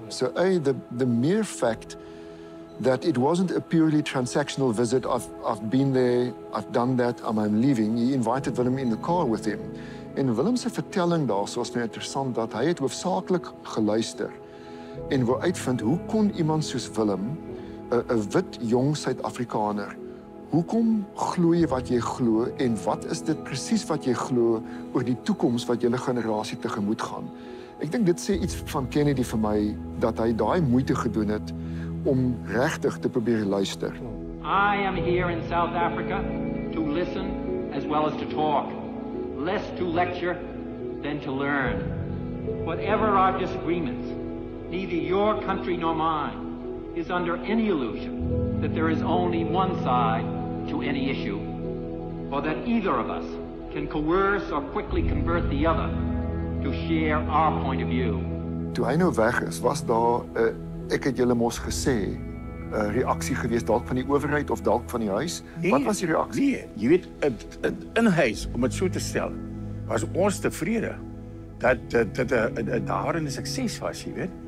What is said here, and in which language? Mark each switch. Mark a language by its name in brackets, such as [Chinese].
[English] So the mere fact that it wasn't a purely transactional visit of I've been there, I've done that, and I'm leaving, he invited Willem in the car with him. [Afrikaans] En Willem se vertelling daar was my interessant dat hy het hoofsaaklik geluister en wou uitvind hoe kon iemand soos Willem, 'n wit jong Suid-Afrikaner, hoekom glo jy wat jy glo en wat is dit presies wat jy glo oor die toekoms wat julle generasie tegemoet gaan? Ek dink dit sê iets van Kennedy vir my dat hy daai moeite gedoen het om regtig te probeer luister. [English] I am here in South Africa to listen as well as to talk, less to lecture than to learn. Whatever our disagreements, neither your country nor mine is under any illusion that there is only one side to any issue, or that either of us can coerce or quickly convert the other to share our point of view. [Afrikaans] Toe hy nou weg is, was daar, ek het julle mos gesê, 'n reaksie gewees, dalk van die owerheid of dalk van die huis? Nee, wat was die reaksie? Nee, jy weet, in huis, om het so te stel, was ons tevrede dat daar 'n sukses was, jy weet.